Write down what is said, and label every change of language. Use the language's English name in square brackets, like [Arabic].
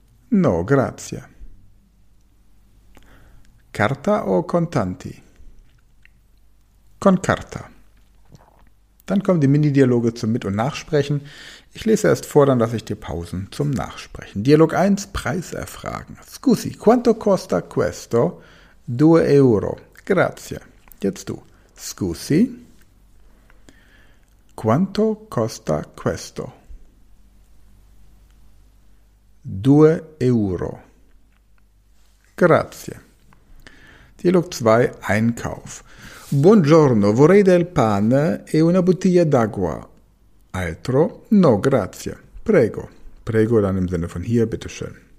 [Italian] No, grazie. Carta o contanti? Con carta. [German] Dann kommen die Mini-Dialoge zum Mit- und Nachsprechen. Ich lese erst vor, dann lasse ich dir Pausen zum Nachsprechen. Dialog 1, Preis erfragen. [Italian] Scusi, quanto costa questo? 2 euro. Grazie. [German] Jetzt du. [Italian] Scusi, quanto costa questo? 2 euro. Grazie. [German] Dialog 2, Einkauf. [Italian] Buongiorno, vorrei del pane e una bottiglia d'acqua. Altro? No, grazie. Prego. [German] Prego dann im Sinne von hier, bitteschön.